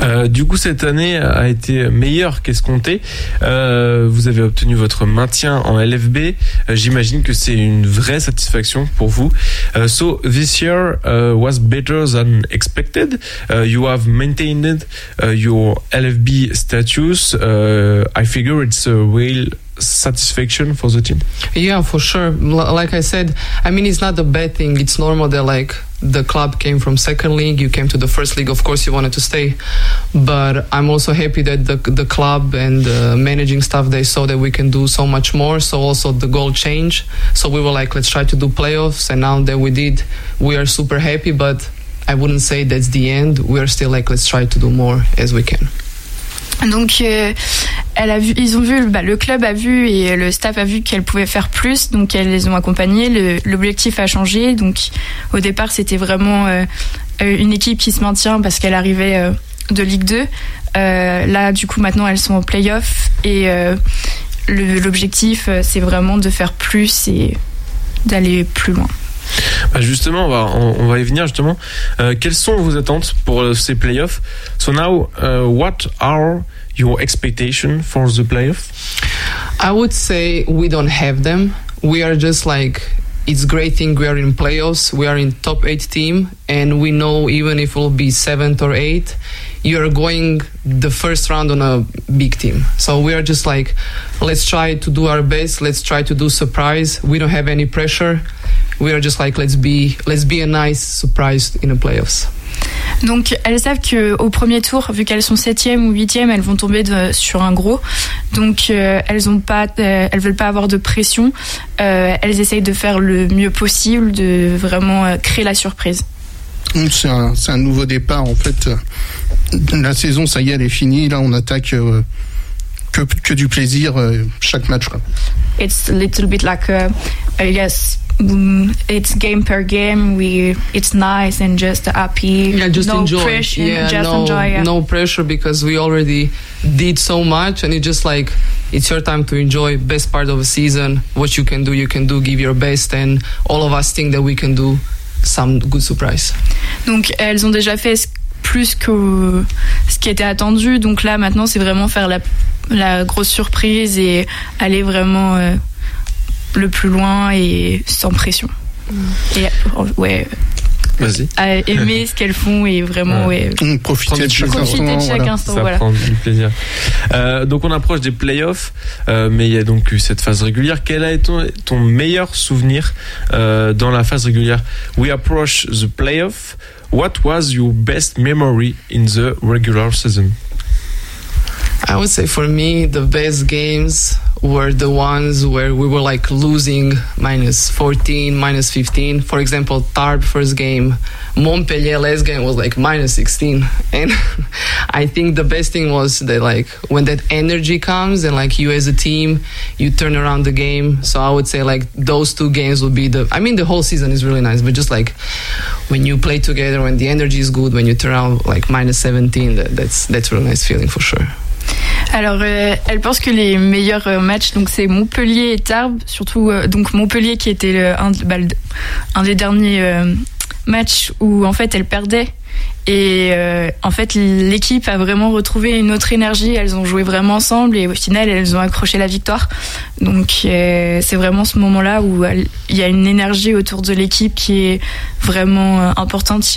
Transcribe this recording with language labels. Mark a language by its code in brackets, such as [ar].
[fr] Du coup, cette année a été meilleure qu'escomptée. Vous avez obtenu votre maintien en LFB. J'imagine que c'est une vraie satisfaction pour vous. [en] So this year was better than expected. You have maintained your LFB status. I figure it's a real satisfaction for the team. Yeah, for sure. Like I said, I mean, it's not a bad thing. It's normal that like the club came from second league, you came to the first league, of course you wanted to stay. But I'm also happy that the club and the managing staff, they saw that we can do so much more. So also the goal changed, so we were like, let's try to do playoffs. And now that we did, we are super happy, but I wouldn't say that's the end. We are still like, let's try to do more as we can. [fr] Donc elle a vu, ils ont vu, bah, le club a vu et le staff a vu qu'elle pouvait faire plus, donc elles les ont accompagnées. L'objectif a changé, donc au départ c'était vraiment une équipe qui se maintient parce qu'elle arrivait de Ligue 2. Là du coup maintenant elles sont en play-off et l'objectif c'est vraiment de faire plus et d'aller plus loin. Bah justement, on va y venir justement. Quelles sont vos attentes pour ces playoffs? So now, what are your expectations for the playoffs? I would say we don't have them. We are just like, it's great thing we are in playoffs. We are in top 8 team, and we know even if we'll be 7th or 8th, you are going the first round on a big team. So we are just like, let's try to do our best. Let's try to do surprise. We don't have any pressure. We are just like, let's be a nice surprise in the playoffs. Donc elles savent que au premier tour, vu qu'elles sont 7e ou 8e, elles vont tomber sur un gros. Donc elles veulent pas avoir de pression. Elles essayent de faire le mieux possible, de vraiment créer la surprise. C'est un nouveau départ en fait. La saison, ça y est, elle est finie. Là, on attaque que du plaisir chaque match. Quoi. [en] It's a little bit like yes. It's game per game. It's nice and just happy. Yeah, just no enjoy. Pressure. Yeah, just no, enjoy. Yeah. No pressure because we already did so much, and it's just like it's your time to enjoy best part of a season. What you can do, give your best, and all of us think that we can do some good surprise. [fr] Donc elles ont déjà fait plus que ce qui était attendu. Donc là, maintenant, c'est vraiment faire la grosse surprise et aller vraiment. Le plus loin et sans pression. Mmh. Et vas-y. Aimer ce qu'elles font et vraiment. Ouais. Profiter de chaque instant. Profiter de chaque instant, voilà. Ça prend du plaisir. Donc on approche des playoffs, mais il y a donc eu cette phase régulière. Quel a été ton meilleur souvenir dans la phase régulière? [en] We approach the playoff. What was your best memory in the regular season? I would say for me, the best games were the ones where we were like losing minus 14, minus 15. For example, Tarbes first game, Montpellier last game was like minus 16. And I think the best thing was that like when that energy comes and like you as a team, you turn around the game. So I would say like those two games would be the whole season is really nice, but just like when you play together, when the energy is good, when you turn around like minus 17, that's a really nice feeling for sure. [fr] Alors, elle pense que les meilleurs matchs, donc c'est Montpellier et Tarbes, surtout donc Montpellier qui était un des derniers matchs où en fait elle perdait. Et en fait, l'équipe a vraiment retrouvé une autre énergie. Elles ont joué vraiment ensemble et au final, elles ont accroché la victoire. Donc, c'est vraiment ce moment-là où il y a une énergie autour de l'équipe qui est vraiment importante.